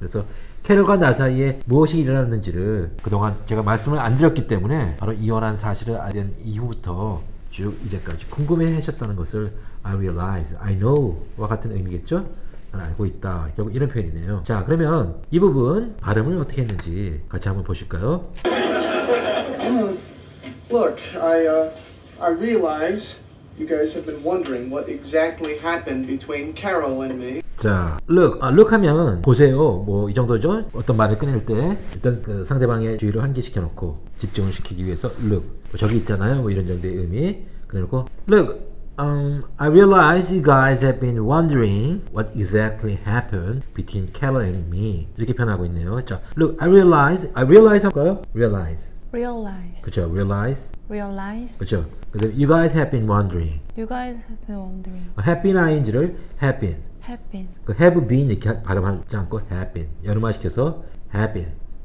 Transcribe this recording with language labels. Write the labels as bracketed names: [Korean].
[Korean] 그래서 캐롤과 나 사이에 무엇이 일어났는지를 그동안 제가 말씀을 안 드렸기 때문에 바로 이혼한 사실을 알은 이후부터 쭉 이제까지 궁금해 하셨다는 것을 [English] I realize, I know [Korean] 와 같은 의미겠죠? 알고 있다. 결국 이런 표현이네요. 자, 그러면 이 부분 발음을 어떻게 했는지 같이 한번 보실까요? [English] Look, I realize you guys have been wondering what exactly happened between Carol and me. [Korean] 자, look, look 하면 보세요. 뭐 이 정도죠? 어떤 말을 꺼낼 때 일단 그 상대방의 주의를 환기시켜놓고 집중을 시키기 위해서 look, 뭐 저기 있잖아요. 뭐 이런 정도의 의미. 그리고 look. [English] I realize you guys have been wondering what exactly happened between Carol and me. [Korean] 이렇게 표현하고 있네요. 자, look, [English] I realize [Korean] 할까요? Realize. 그렇죠, realize. 그렇죠. [English] 그래서 you guys have been wondering. Have been. [Korean] 그 [English] have been [Korean] 이렇게 발음하지 않고 [English] have been. [Korean] 연음화시켜서 [English] have been.